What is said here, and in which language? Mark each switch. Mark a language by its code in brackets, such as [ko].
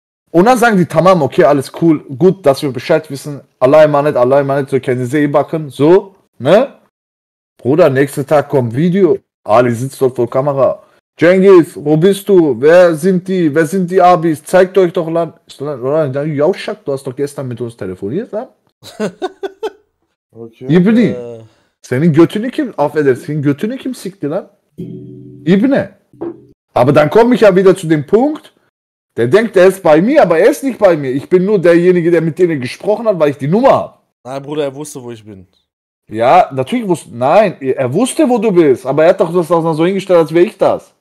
[de] Und dann sagen die, tamam, okay, alles cool, gut, dass wir Bescheid wissen, Allah im Anet, so können sie eh backen, so, ne? Bruder, nächster Tag kommt Video, Ali sitzt dort vor Kamera, Cengiz, wo bist du, wer sind die Abis, zeigt euch doch Land. Jauschak, du hast doch gestern mit uns telefoniert, ne? [tr] Okay. Yibni. Senin götünü kim, affedersin, götünü kim sikti lan? İbne. [de] Aber dann komme ich ja wieder zu dem Punkt, der denkt, er ist bei mir, aber er ist nicht bei mir. Ich bin nur derjenige, der mit denen gesprochen hat, weil ich die Nummer habe. Nein, Bruder, er wusste, wo ich bin. Ja, natürlich wusste, nein, er wusste, wo du bist, aber er hat doch das dann so hingestellt, als wäre ich das.